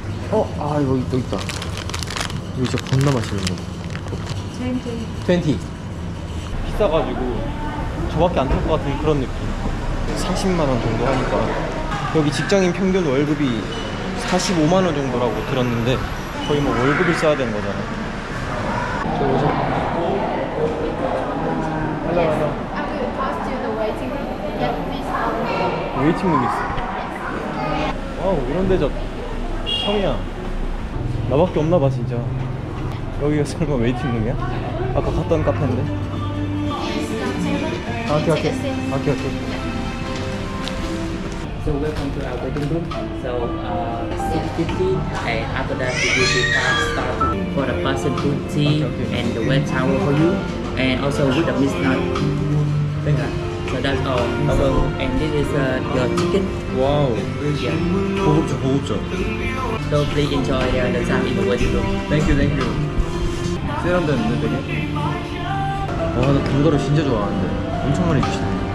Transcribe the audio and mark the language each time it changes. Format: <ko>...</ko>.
<ko>어, 아 이거 또 있다. 이거 진짜 겁나 맛있는 거. 20. 비싸가지고 저밖에 안 탈 것 같은 그런 느낌. 40만원 정도 하니까. 여기 직장인 평균 월급이 45만원 정도라고 들었는데 거의 뭐 월급을 써야 되는 거잖아. 저 여기서</ko> <en>Hello. I'm going to pass you the waiting room. Yeah, please help me.</en> <ko>Waiting room 있어. 와우, 이런 데 저 처음이야. 나밖에 없나 봐 진짜. 여기가 설마 waiting room이야? 아까 갔던 카페인데. 아, 오케이.</ko> <en>So welcome to our waiting room. So 6:50, and after that we will start for the passion food tea and the wet towel for you, and also with the mist knife. So that's all. So and this is your ticket. Wow. Yeah.</en> <ko>고급져.</ko> <en>So please enjoy the time in the waiting room. Thank you.</en> <ko>세련된 분들. 와, 나 견과류 진짜 좋아하는데 엄청 많이 주시네.</ko>